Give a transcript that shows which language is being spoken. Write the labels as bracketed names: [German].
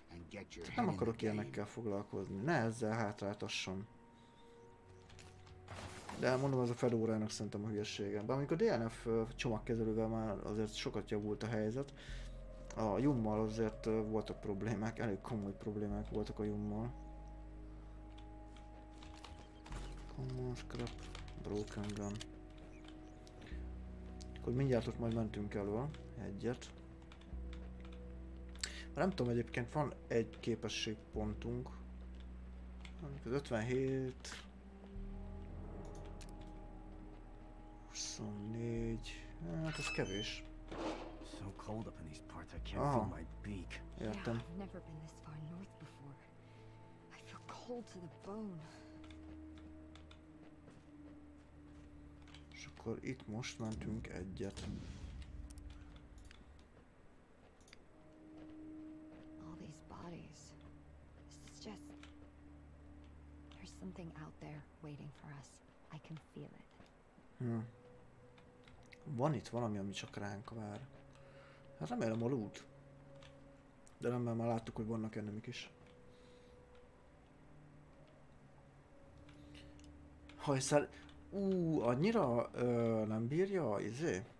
[Hungarian] Tehát nem akarok ilyenekkel foglalkozni. Ne ezzel hátráltasson. De mondom, ez a Fedorának szerintem a hülyeségem. Bár amikor DNF csomagkezelővel már azért sokat javult a helyzet. A Jummal azért voltak problémák, elég komoly problémák voltak a Jummal. [English] Common scrap, broken gun. [Hungarian] Akkor mindjárt ott majd mentünk elől egyet. Nem tudom, egyébként van egy képességpontunk. Az 57... 24... Hát ez kevés. [English] So cold up in these parts, I can't feel my beak. Yeah, I've never been this far north before. I feel cold to the bone. [Hungarian] És akkor itt most mentünk egyet. [English] All these bodies. This is just. There's something out there waiting for us. I can feel it. [Hungarian] Van itt valami, ami csak ránk vár. Hát remélem a loot. De nem, mert már láttuk, hogy vannak enemik is. Hajszál... annyira nem bírja izé?